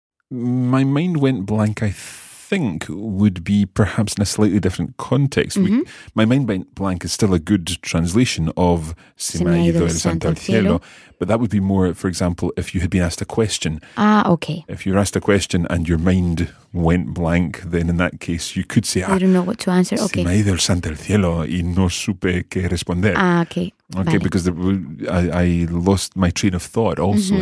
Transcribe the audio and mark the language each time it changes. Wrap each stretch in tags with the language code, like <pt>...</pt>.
<en>My mind went blank, I think, would be perhaps in a slightly different context. Mm-hmm. My mind went blank is still a good translation of</en> <es>Se me ha ido el santo al cielo.</es> <en>But that would be more, for example, if you had been asked a question. Ah, okay. If you're asked a question and your mind went blank, then in that case you could say, I don't know what to answer. Okay.</en> <es>Se me ha ido el santo al cielo y no supe qué responder.</es> <en>Ah, okay. Okay, vale. Because I lost my train of thought also mm-hmm.</en>